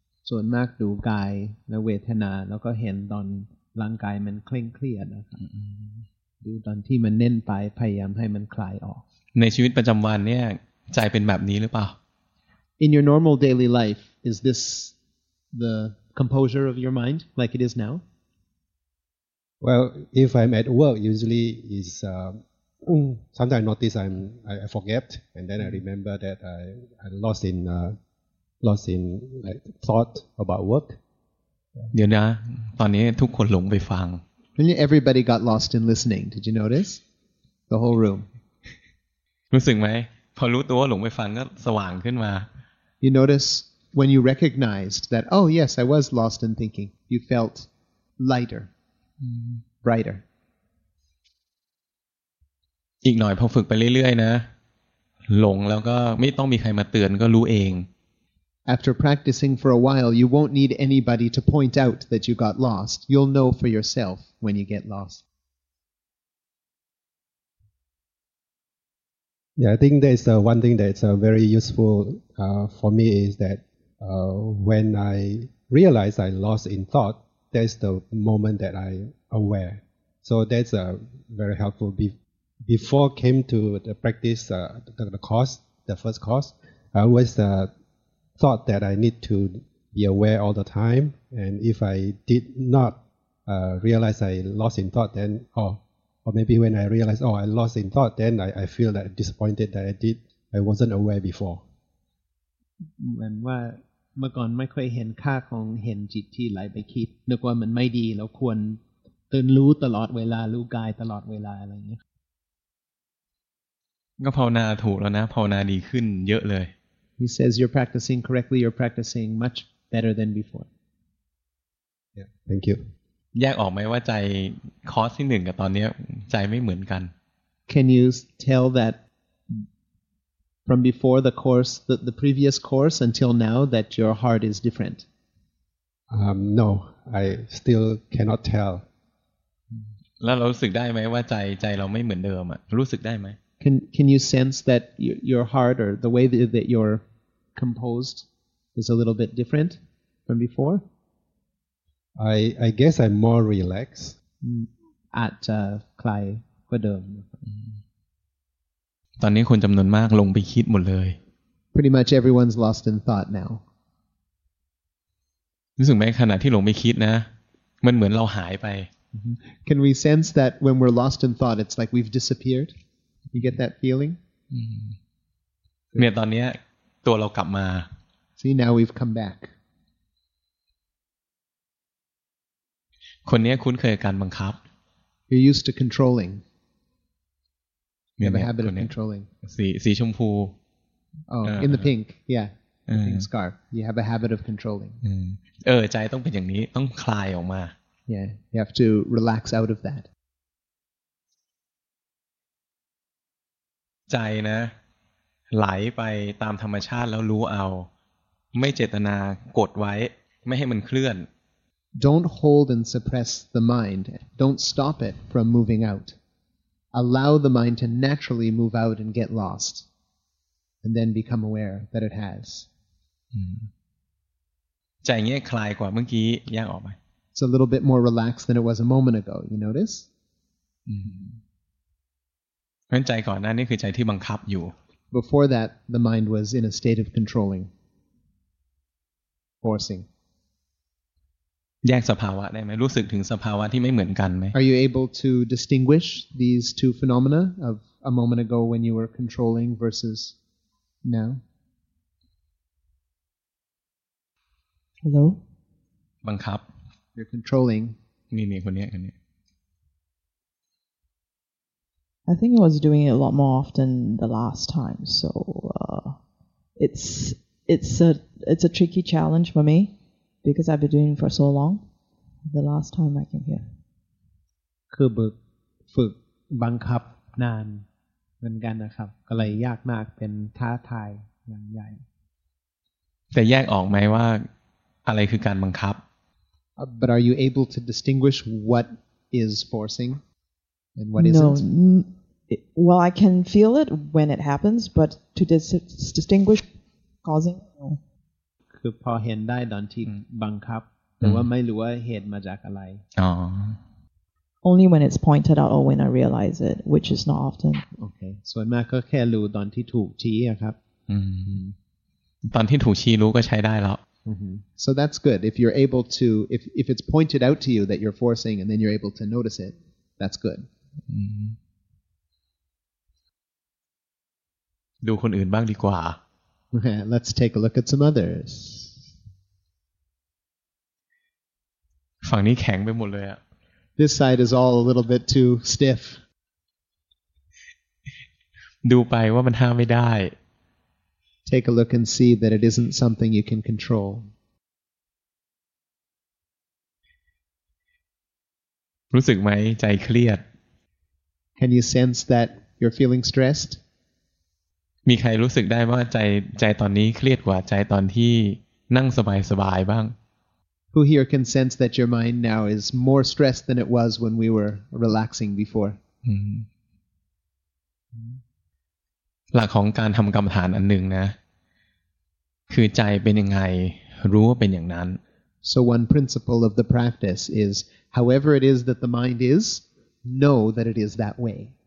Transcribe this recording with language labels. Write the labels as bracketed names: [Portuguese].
[Thai] ส่วนมากดูกายและเวทนาแล้วก็เห็นตอนร่างกายมันเคร่งเครียดนะครับดูตอนที่มันเน้นไปพยายามให้มันคลายออก ในชีวิตประจำวันเนี่ยใจเป็นแบบนี้หรือเปล่า [English] In your normal daily life, is this the composure of your mind like it is now? Well, if I'm at work, usually is sometimes I notice I forget, and then I remember that I lost in like thought about work. [Thai] เดี๋ยวนะตอนนี้ทุกคนหลงไปฟัง [English] Everybody got lost in listening. Did you notice the whole room? [Thai] รู้สึกไหมพอรู้ตัวหลงไปฟังก็สว่างขึ้นมา [English] You notice when you recognized that? Oh yes, I was lost in thinking. You felt lighter. Brighter. [Thai] อีกหน่อยพอฝึกไปเรื่อยๆนะหลงแล้วก็ไม่ต้องมีใครมาเตือนก็รู้เอง [English] After practicing for a while, you won't need anybody to point out that you got lost. You'll know for yourself when you get lost. Yeah, I think there's one thing that's very useful for me is that when I realize I lost in thought. That's the moment that I aware. So that's very helpful. Before came to the practice, the course, the first course, I always thought that I need to be aware all the time. And if I did not realize I lost in thought, then or maybe when I realized, oh, I lost in thought, then I feel that disappointed that I wasn't aware before. And what? [Thai] เมื่อก่อนไม่ค่อยเห็นค่าของเห็นจิตที่ไหลไปคิดนึกว่ามันไม่ดีแล้วควรตื่นรู้ตลอดเวลารู้กายตลอดเวลาอะไรอย่าง นี้ก็ภาวนาถูกแล้วนะภาวนาดีขึ้นเยอะเลย [English] He says you're practicing correctly you're practicing much better than before Yeah thank you [Thai] แยกออกไหมว่าใจคอร์สที่หนึ่งกับตอนนี้ใจไม่เหมือนกัน [English] Can you tell thatFrom before the course, the previous course until now, that your heart is different. No, I still cannot tell. [Thai] แล้วรู้สึกได้ไหมว่าใจเราไม่เหมือนเดิมอ่ะรู้สึกได้ไหม [English] Can you sense that your heart or the way that you're composed is a little bit different from before? I guess I'm more relaxed. [Thai] At คลายกว่าเดิม ตอนนี้คนจำนวนมากลงไปคิดหมดเลย [English] Pretty much everyone's lost in thought now. [Thai] รู้สึกไหมขณะที่ลงไปคิดนะมันเหมือนเราหายไป [English] Can we sense that when we're lost in thought, it's like we've disappeared? You get that feeling? [Thai] เนี่ยตอนนี้ตัวเรากลับมา [English] See now we've come back. [Thai] คนนี้คุ้นเคยกับการบังคับ [English] You're used to controlling. You have a habit of controlling. [Thai] สีชมพู [English] Oh, in the pink, yeah. Pink scarf. You have a habit of controlling. [Thai] เออใจต้องเป็นอย่างนี้ต้องคลายออกมา [English] Yeah, you have to relax out of that. [Thai] ใจนะไหลไปตามธรรมชาติแล้วรู้เอาไม่เจตนากดไว้ไม่ให้มันเคลื่อน [English] Don't hold and suppress the mind. Don't stop it from moving out. Allow the mind to naturally move out and get lost, and then become aware that it has. It's a little bit more relaxed than it was a moment ago. You notice? [Thai] เพราะฉะนั้นใจก่อนหน้านี้คือใจที่บังคับอยู่ [English] Before that the mind was in a state of controlling forcing [Thai] แยกสภาวะได้ไหมรู้สึกถึงสภาวะที่ไม่เหมือนกันไหม [English] Are you able to distinguish these two phenomena of a moment ago when you were controlling versus now Hello [Thai] บังคับ [English] You're controlling [Thai] นี่คนนี้คนนี้ [English] I think I was doing it a lot more often the last time, so it's a tricky challenge for me because I've been doing it for so long. The last time I came here, [Thai] คือฝึกบังคับนานเหมือนกันนะครับก็เลยยากมากเป็นท้าทายอย่างใหญ่แต่แยกออกไหมว่าอะไรคือการบังคับ [English] But are you able to distinguish what is forcing? And what no, well, I can feel it when it happens, but to distinguish causing. [Thai] คือพอเห็นได้ตอนที่บังคับแต่ว่าไม่รู้ว่าเหตุมาจากอะไร [English] Only when it's pointed out or when I realize it, which is not often. Okay, so [Thai] มากก็แค่รู้ตอนที่ถูกชี้ครับ ตอนที่ถูกชี้รู้ก็ใช้ได้แล้ว [English] So that's good. If you're able to, if it's pointed out to you that you're forcing, and then you're able to notice it, that's good. [Thai] ดูคนอื่นบ้างดีกว่า [English] Let's take a look at some others [Thai] ฝั่งนี้แข็งไปหมดเลยอ่ะ [English] This side is all a little bit too stiff [Thai] ดูไปว่ามันห้ามไม่ได้ [English] Take a look and see that it isn't something you can control [Thai] รู้สึกไหมใจเครียด [English] Can you sense that you're feeling stressed? [Thai] มีใครรู้สึกได้ว่าใจตอนนี้เครียดกว่าใจตอนที่นั่งสบายๆบ้าง [English] Who here can sense that your mind now is more stressed than it was when we were relaxing before? [Thai] หลักของการทำกรรมฐานอันหนึ่งนะคือใจเป็นยังไงรู้ว่าเป็นอย่างนั้น [English] So one principle of the practice is however it is that the mind isknow that it is that way